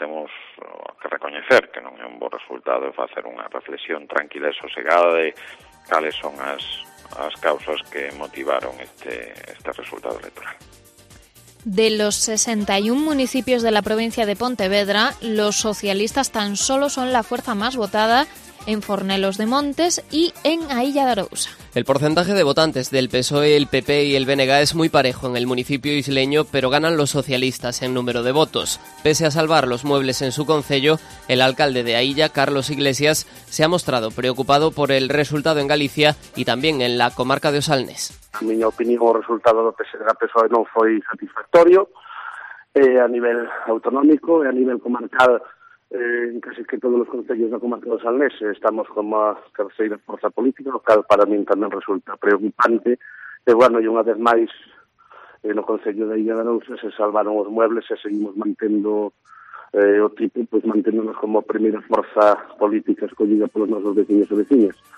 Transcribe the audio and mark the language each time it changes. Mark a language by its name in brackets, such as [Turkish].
[Galician] Temos que recoñecer que non é un bo resultado, e facer unha reflexión tranquila e sosegada de cales son as causas que motivaron este resultado electoral. [Spanish] De los 61 municipios de la provincia de Pontevedra, los socialistas tan solo son la fuerza más votada en Fornelos de Montes y en Aílla de Arousa. El porcentaje de votantes del PSOE, el PP y el BNG es muy parejo en el municipio isleño, pero ganan los socialistas en número de votos. Pese a salvar los muebles en su concello, el alcalde de Aílla, Carlos Iglesias, se ha mostrado preocupado por el resultado en Galicia y también en la comarca de Osalnés. [Galician] A miña opinión, o resultado do PSOE non foi satisfactorio a nivel autonómico e a nivel comarcal. Casi que todos os concellos da comarca do Salnés estamos como a terceira forza política, o cal para min tamén resulta preocupante. E bueno, e unha vez máis, no concello de Illa de Arousa se salvaron os muebles e seguimos mantendo o tipo, pues manténdonos como a primeira forza política escollida polos nosos veciños e veciñas.